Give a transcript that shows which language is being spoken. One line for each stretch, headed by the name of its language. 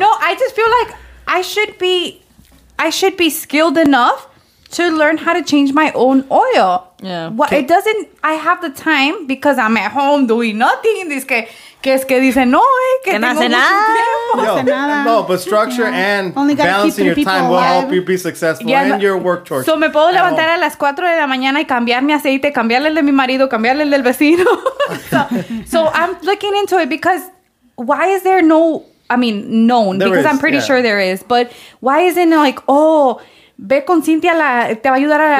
English: No, I just feel like I should be skilled enough to learn how to change my own oil. Yeah. It doesn't... I have the time because I'm at home doing nothing.
Spanish: Que dicen hoy? Que no hace nada.
English: No, but structure and balancing your time will help you be successful and your work chores.
Spanish: So me puedo levantar a las 4 de la mañana y cambiar mi aceite, cambiarle el de mi marido, cambiarle el del vecino.
English: So I'm looking into it because why is there no... I mean, known. There because is, I'm pretty sure there is. But why isn't it like, oh...
Spanish: Ve con Cintia, te va a ayudar a